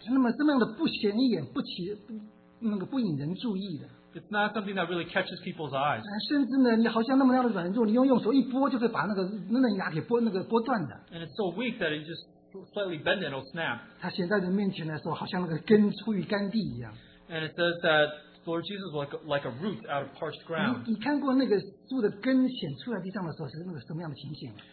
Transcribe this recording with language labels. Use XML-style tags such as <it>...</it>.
<zh>那么这么样的不显眼不起那个不引人注意的,</zh> <en>it's not something that really catches people's eyes.</en> <zh>甚至呢,你好像那么样的软弱,你用手一拨就会把那个嫩芽给拨断的,</zh> <en>and it's so weak that it just slightly bend and it'll snap.</en> <zh>它显在人面前的时候,好像那个根出于甘地一样,</zh> <en>and it says that Lord Jesus was like a root out of parched ground.</en> <zh>你看过那个树的根显出来地上的时候,是那个什么样的情形吗?</zh>